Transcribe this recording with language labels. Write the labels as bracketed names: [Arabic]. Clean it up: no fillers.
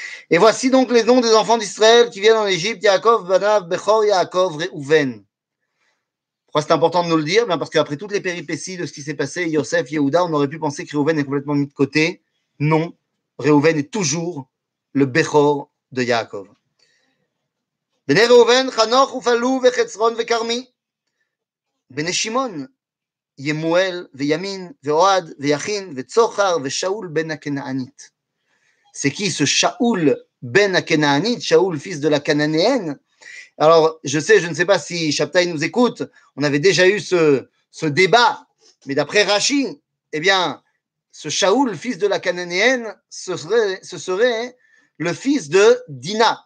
[French] Et voici donc les noms des enfants d'Israël qui viennent en Égypte, Yaakov, Banav, Bechor, Yaakov, Reuven. Pourquoi c'est important de nous le dire ? Bien, parce qu'après toutes les péripéties de ce qui s'est passé, Yosef, Yehuda, on aurait pu penser que Reuven est complètement mis de côté. Non, Reuven est toujours le Bechor de Yaakov. [Hebrew] בני ראובן, חנוך ופלו וחצרון וכרמי. בני שמעון, ימואל וימין ואוהד ויכין וצוחר ושאול בן הכנענית. [French] C'est qui ce [Hebrew] שאול בן הכנענית, [French] שאול fils de la cananéenne. Alors, je ne sais pas si Shabtai nous écoute, on avait déjà eu ce débat, mais d'après Rashi, eh bien, ce שאול fils de la cananéenne, ce serait le fils de Dina.